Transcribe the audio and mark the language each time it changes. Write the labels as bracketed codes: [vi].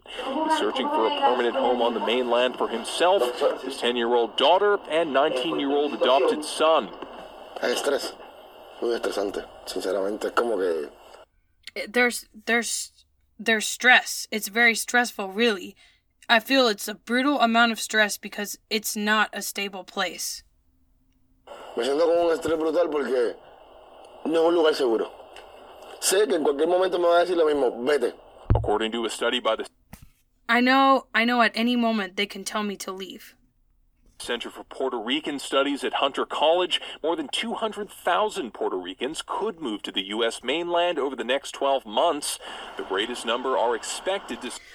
[en] He's searching for a permanent home on the mainland for himself, his 10-year-old daughter, and 19-year-old adopted son. There's stress. It's very stressful, really. I feel it's a brutal amount of stress because it's not a stable place. [es] Me siento con un estrés brutal porque no es un lugar seguro. Sé que en cualquier momento me va a decir lo mismo, vete. [en] According to a study by the I know at any moment they can tell me to leave. Center for Puerto Rican Studies at Hunter College, more than 200,000 Puerto Ricans could move to the U.S. mainland over the next 12 months. The greatest number are expected to...